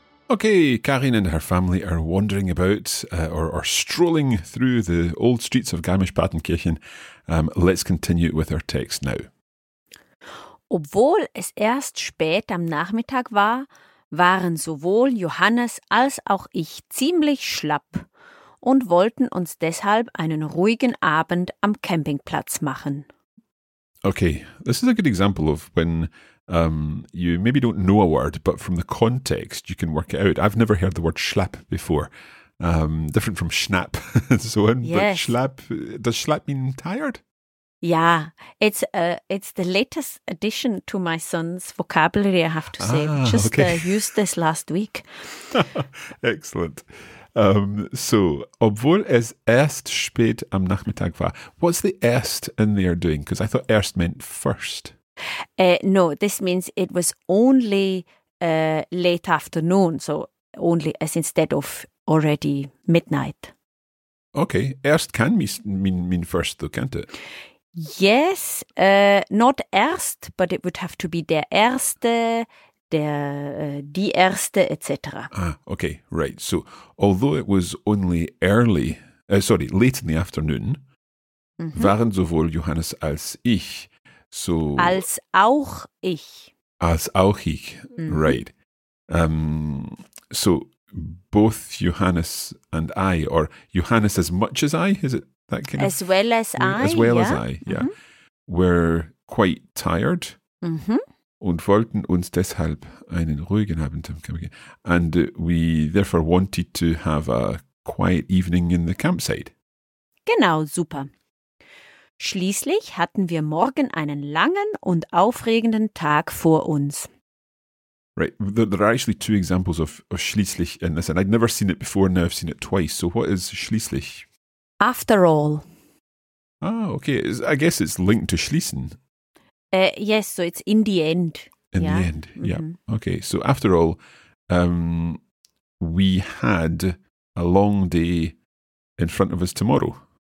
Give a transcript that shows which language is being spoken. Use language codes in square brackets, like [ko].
[en] Okay, Karin and her family are wandering about or strolling through the old streets of Garmisch-Partenkirchen. Let's continue with our text now. [de] Obwohl es erst spät am Nachmittag war, waren sowohl Johannes als auch ich ziemlich schlapp und wollten uns deshalb einen ruhigen Abend am Campingplatz machen. [en] Okay, this is a good example of when you maybe don't know a word, but from the context you can work it out. I've never heard the word schlapp before. Different from schnapp and so on. Yes. But schlapp, does schlapp mean tired? Yeah, it's the latest addition to my son's vocabulary, I have to say. Used this last week. Excellent. [de] So, obwohl es erst spät am Nachmittag war. [en] What's the erst in there doing? Because I thought erst meant first. No, this means it was only late afternoon. So, only as instead of already midnight. Okay, erst can mean first though, can't it? Yes, not erst, but it would have to be der erste, die erste, etc. Ah, okay, right. So, although it was only late in the afternoon, mm-hmm. [de] waren sowohl Johannes als ich. So als auch ich. Als auch ich, mm-hmm. right. [en] So, both Johannes and I, or Johannes as much as I, is it? As well as I, we're quite tired. Mm-hmm. [de] Und wollten uns deshalb einen ruhigen Abend am Campingplatz. [en] And we therefore wanted to have a quiet evening in the campsite. [de] Genau, super. Schließlich hatten wir morgen einen langen und aufregenden Tag vor uns. [en] Right, there are actually two examples of schließlich in this, and I'd never seen it before, now I've seen it twice. So what is schließlich? After all. Ah, okay. I guess it's linked to schließen. Yes, so it's in the end. In the end, yeah. Mm-hmm. Okay, so after all, we had a long day in front of us tomorrow.